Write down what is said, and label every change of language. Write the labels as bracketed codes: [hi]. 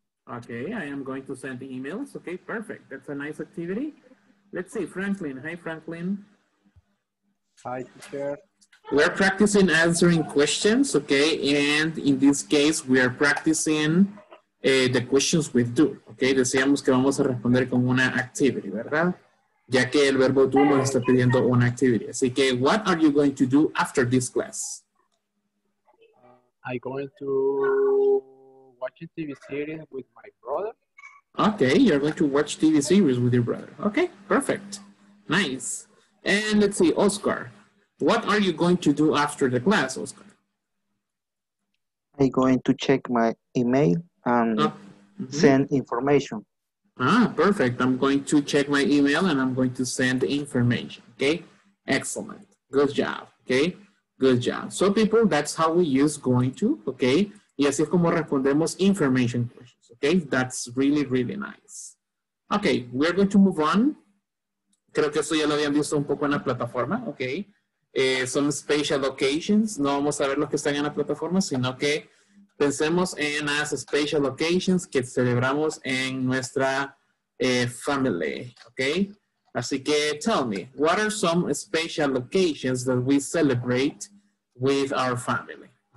[en] Okay, I am going to send the emails. Okay, perfect. That's a nice activity. Let's see, Franklin. Hi, Franklin. Hi, teacher. We're practicing answering questions, okay? And in this case, we are practicing the questions with do, okay? [es] Decíamos que vamos a responder con una activity, ¿verdad? Ya que el verbo do nos está pidiendo una activity. Así que, [en] what are you going to do after this class? I'm going to watch a TV series with my brother. Okay, you're going to watch TV series with your brother. Okay, perfect. Nice. And let's see, Oscar. What are you going to do after the class, Oscar? I'm going to check my email and send information. Perfect. I'm going to check my email and I'm going to send information. Okay, excellent. Good job. Okay. Good job. So people, that's how we use going to, okay? [es] Y así es como respondemos [en] information questions, okay? That's really, really nice. Okay, we're going to move on. [es] Creo que esto ya lo habían visto un poco en la plataforma, okay? [en] Some spatial locations. [es] No vamos a ver los que están en la plataforma, sino que pensemos en las spatial locations que celebramos en nuestra family, okay? Así que, [en] tell me, what are some special locations that we celebrate with our family?